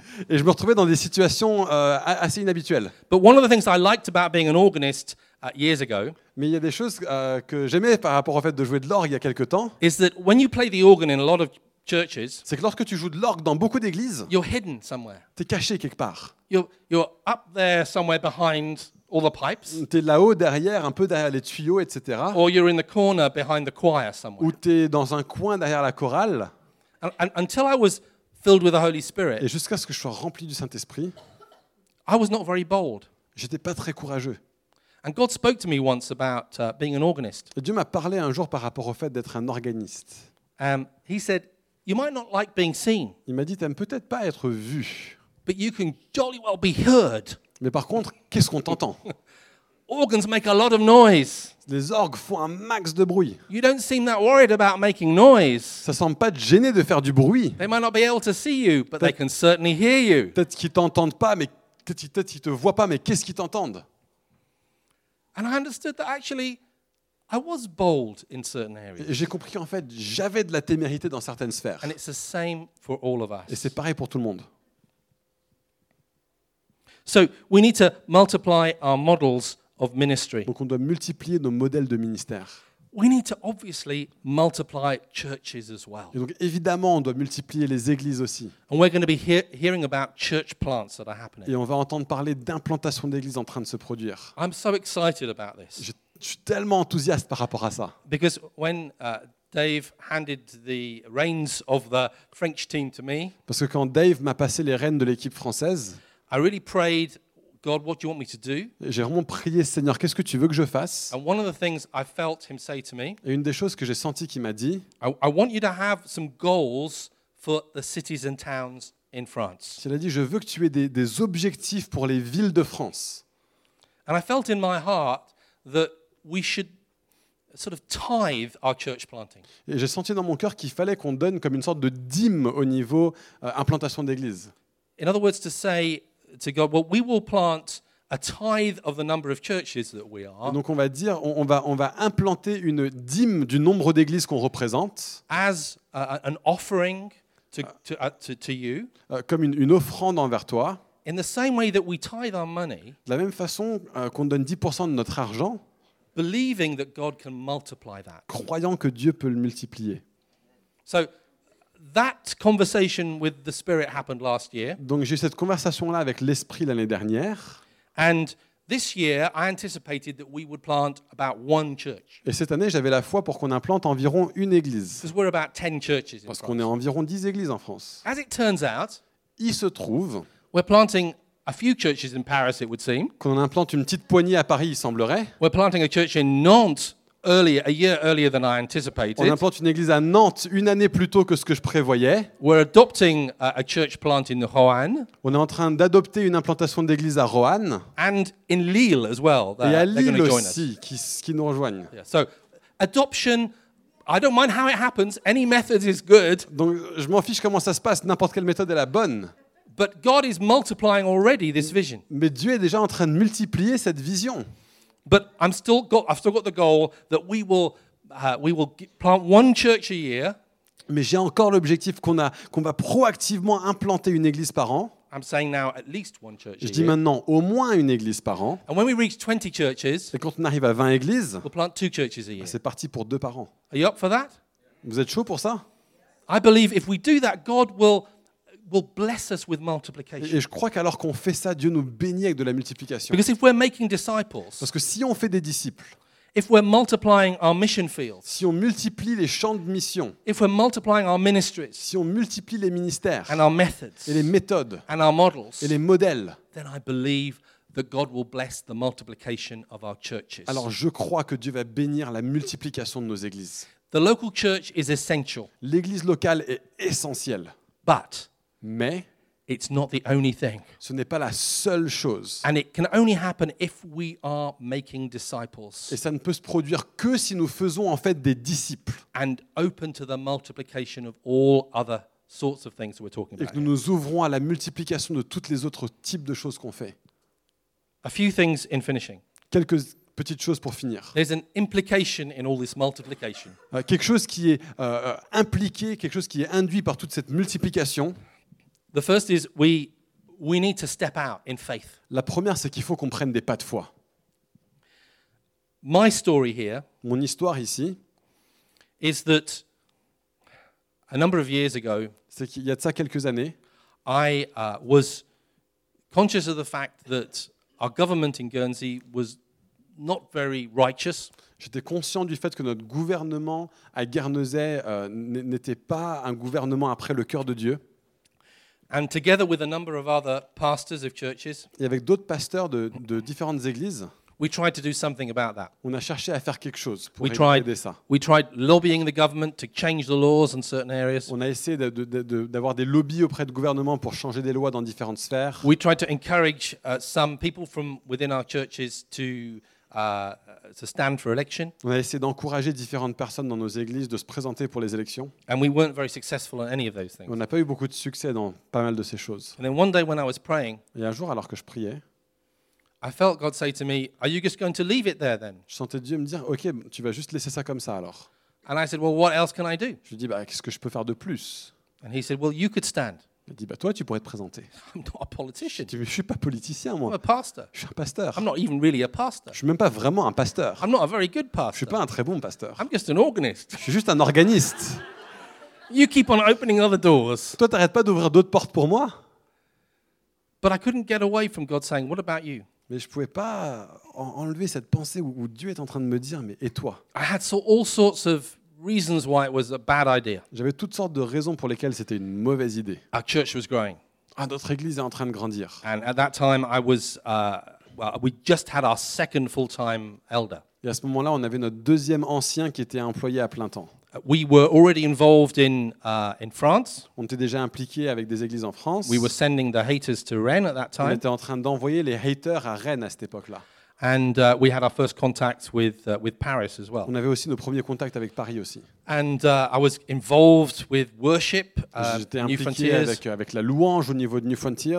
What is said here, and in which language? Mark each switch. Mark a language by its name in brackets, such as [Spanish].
[French] Et je me retrouvais dans des situations assez inhabituelles. [English] But one of the things I liked about being an organist years ago. [French] Mais il y a des choses que j'aimais par rapport au fait de jouer de l'orgue il y a quelque temps. [English] Is that when you play the organ in a lot of churches? [French] C'est que lorsque tu joues de l'orgue dans beaucoup d'églises, [English] you're hidden somewhere. [French] T'es caché quelque part. [English] You're up there somewhere behind all the pipes. [French] T'es là-haut derrière, un peu derrière les tuyaux, etc. [English] Or you're in the corner behind the choir somewhere. [French] Ou t'es dans un coin derrière la chorale. [English] And until I was filled with the Holy Spirit, [French] et jusqu'à ce que je sois rempli du Saint-Esprit, [English] I was not very bold. [French] J'étais pas très courageux. [English] And God spoke to me once about being an organist. [French] Et Dieu m'a parlé un jour par rapport au fait d'être un organiste. [English] He said, "You might not like being seen." [French] Il m'a dit, t'aimes peut-être pas être vu. [English] but you can jolly well be heard. [French] Mais par contre, qu'est-ce qu'on t'entend? [English] Organs make a lot of noise. [French] Les orgues font un max de bruit. [English] You don't seem that worried about making noise. [French] Ça semble pas te gêner de faire du bruit. [English] They might not be able to see you, but they can certainly hear you. [French] Peut-être qu'ils t'entendent pas, mais peut-être qu'ils te voient pas, mais qu'est-ce qu'ils t'entendent? [English] And I understood that actually I was bold in certain areas. [French] Et j'ai compris qu'en fait, j'avais de la témérité dans certaines sphères. [English] And it's the same for all of us. [French] Et c'est pareil pour tout le monde. [English] So, we need to multiply our models of ministry. [French] Donc on doit multiplier nos modèles de ministère. [English] We need to obviously multiply churches as well. [French] Et donc évidemment, on doit multiplier les églises aussi. [English] And we're going to be hearing about church plants that are happening. [French] Et on va entendre parler d'implantations d'églises en train de se produire. [English] I'm so excited about this. [French] Je suis tellement enthousiaste par rapport à ça. [English] Because when Dave handed the reins of the French team to me. [French] Parce que quand Dave m'a passé les rênes de l'équipe française, [English] I really prayed, God, what do you want me to do? [French] J'ai vraiment prié, Seigneur, qu'est-ce que tu veux que je fasse? [English] And one of the things I felt him say to me. [French] Et une des choses que j'ai senti qu'il m'a dit. [English] I want you to have some goals for the cities and towns in France. [French] Il a dit, je veux que tu aies des objectifs pour les villes de France. [English] And I felt in my heart that we should sort of tithe our church planting. [French] Et j'ai senti dans mon cœur qu'il fallait qu'on donne comme une sorte de dîme au niveau implantation d'église. [English] In other words, to say to God, well, we will plant a tithe of the number of churches that we are. [French] Et donc on va dire, on va implanter une dîme du nombre d'églises qu'on représente. [English] As an offering to you. [French] Comme une offrande envers toi. [English] In the same way that we tithe our money. [French] De la même façon qu'on donne 10% de notre argent. [English] Believing that God can multiply that. [French] Croyant que Dieu peut le multiplier. [English] So. That conversation with the Spirit happened last year. [French] Donc j'ai eu cette conversation là avec l'Esprit l'année dernière. [English] And this year I anticipated that we would plant about one church. [French] Et cette année, j'avais la foi pour qu'on implante environ une église. [English] Because we're about 10 churches in [French] France. Parce qu'on est environ 10 églises en France. [English] As it turns out, [French] il se trouve, [English] we're planting a few churches in Paris it would seem. [French] Qu'on implante une petite poignée à Paris, il semblerait. [English] We're planting a church in Nantes. Earlier, a year earlier than I anticipated. [French] On implante une église à Nantes une année plus tôt que ce que je prévoyais. [English] We're adopting a church plant in Roanne. [French] On est en train d'adopter une implantation d'église à Roanne. [English] And in Lille as well. [French] Et à Lille aussi, qui nous rejoignent. [English] Yeah. So, adoption, I don't mind how it happens. Any method is good. [French] Donc, je m'en fiche comment ça se passe. N'importe quelle méthode est la bonne. [English] But God is multiplying already this vision. [French] Mais Dieu est déjà en train de multiplier cette vision. [English] But I've still got the goal that we will plant one church a year. [French] Mais j'ai encore l'objectif qu'on va proactivement implanter une église par an. [English] I'm saying now at least one church a year. [French] Je dis maintenant au moins une église par an. [English] And when we reach 20 churches, [French] et quand on arrive à 20 églises, [English] we'll plant two churches a year. [French] C'est parti pour deux par an. [English] Are you up for that? [French] Vous êtes chaud pour ça? [English] I believe if we do that, God will bless us with multiplication. [French] Et je crois qu'alors qu'on fait ça, Dieu nous bénit avec de la multiplication. [English] Because if we're making disciples, [French] parce que si on fait des disciples, [English] if we're multiplying our mission fields, [French] si on multiplie les champs de mission, [English] if we're multiplying our ministries, [French] si on multiplie les ministères, [English] and our methods, [French] et les méthodes, [English] and our models, [French] et les modèles, [English] then I believe that God will bless the multiplication of our churches. [French] Alors je crois que Dieu va bénir la multiplication de nos églises. [English] The local church is essential. [French] L'église locale est essentielle. [English] But [French] mais [English] it's not the only thing. [French] Ce n'est pas la seule chose. [English] And it can only happen if we are making disciples. [French] Et ça ne peut se produire que si nous faisons en fait des disciples. [English] And open to the multiplication of all other sorts of things we're talking about. [French] Et que nous nous ouvrons à la multiplication de toutes les autres types de choses qu'on fait. [English] A few things in finishing. [French] Quelques petites choses pour finir. [English] There's an implication in all this multiplication. [French] Quelque chose qui est impliqué, quelque chose qui est induit par toute cette multiplication. [English] The first is we need to step out in faith. [French] La première, c'est qu'il faut qu'on prenne des pas de foi. [English] My story here, [French] mon histoire ici, [English] is that a number of years ago, [French] c'est qu'il y a de ça quelques années, [English] I was conscious of the fact that our government in Guernsey was not very righteous. [French] J'étais conscient du fait que notre gouvernement à Guernesey n'était pas un gouvernement après le cœur de Dieu. [English] And together with a number of other pastors of churches, [French] et avec d'autres pasteurs de différentes églises, [English] We tried to do something about that. [French] On a cherché à faire quelque chose pour aider ça. [English] We tried lobbying the government to change the laws in certain areas. [French] On a essayé d'avoir des lobbies auprès du gouvernement pour changer des lois dans différentes sphères. [English] We tried to encourage some people from within our churches to stand for election. [French] On a essayé d'encourager différentes personnes dans nos églises de se présenter pour les élections. [English] And we weren't very successful in any of those things. [French] On n'a pas eu beaucoup de succès dans pas mal de ces choses. [English] And then one day when I was praying, [French] et un jour alors que je priais, [English] I felt God say to me, "Are you just going to leave it there then?" [French] Je sentais Dieu me dire, OK, tu vas juste laisser ça comme ça alors. [English] And I said, "Well, what else can I do?" [French] Je lui dis, qu'est-ce que je peux faire de plus? [English] And he said, "Well, you could stand." [French] Il dit, toi, tu pourrais te présenter. [English] I'm not a politician. [French] Je suis pas politicien moi. [English] I'm a pastor. [French] Je suis un pasteur. [English] I'm not even really a pastor. [French] Je suis même pas vraiment un pasteur. [English] I'm not a very good pastor. [French] Je suis pas un très bon pasteur. [English] I'm just an organist. [French] Je suis juste un organiste. [English] You keep on opening other doors. [French] Toi, t'arrêtes pas d'ouvrir d'autres portes pour moi. [English] But I couldn't get away from God saying, "What about you?" [French] Mais je pouvais pas enlever cette pensée où Dieu est en train de me dire, mais et toi? [English] I had all sorts of reasons why it was a bad idea. [French] J'avais toutes sortes de raisons pour lesquelles c'était une mauvaise idée. [English] Our church was growing. [French] Ah, notre église est en train de grandir. [English] And at that time, I was we just had our second full-time elder. [French] Et à ce moment-là, on avait notre deuxième ancien qui était employé à plein temps. [English] We were already involved in France. [French] On était déjà impliqués avec des églises en France. [English] We were sending the haters to Rennes at that time. [French] On était en train d'envoyer les haters à Rennes à cette époque-là. [English] And we had our first contact with Paris as well. [French] On avait aussi nos premiers contacts avec Paris aussi. [English] And I was involved with worship, [French] j'étais impliqué avec la louange au niveau de New Frontiers.